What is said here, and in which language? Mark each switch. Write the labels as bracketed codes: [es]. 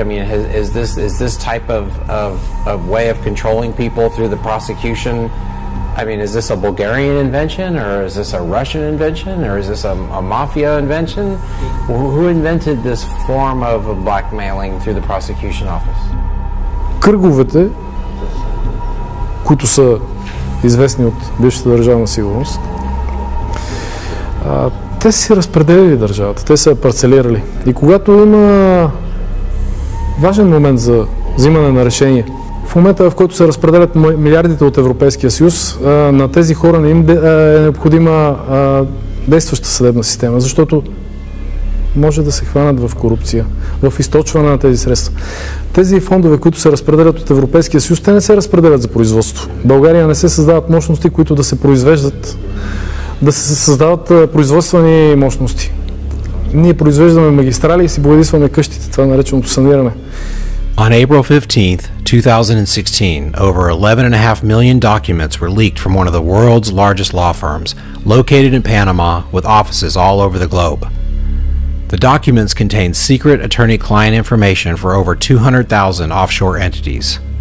[en] I mean, is this type of way of controlling people through the prosecution? I mean, is this a Bulgarian invention, or is this a Russian invention, or is this a mafia invention? Who invented this form of blackmailing through the prosecution office? [bg] Кръговете, които са известни от бившата държавна сигурност. Те си разпределили държавата, те са парцелирали. И когато има важен момент за взимане на решение, в момента в който се разпределят милиардите от Европейския съюз, на тези хора не им е необходима действаща съдебна система, защото може да се хванат в корупция, в източване на тези средства. Тези фондове, които се разпределят от Европейския съюз, те не се разпределят за производство. България не се създават мощности, които да се произвеждат, да се създават производствени мощности. Ние произвеждаме магистрали и си боядисваме къщите, това нареченото саниране. [en] On April 15th, 2016, over 11.5 million documents were leaked from one of the world's largest law firms, located in Panama, with offices all over the globe. The documents contain secret attorney-client information for over 200,000 offshore entities.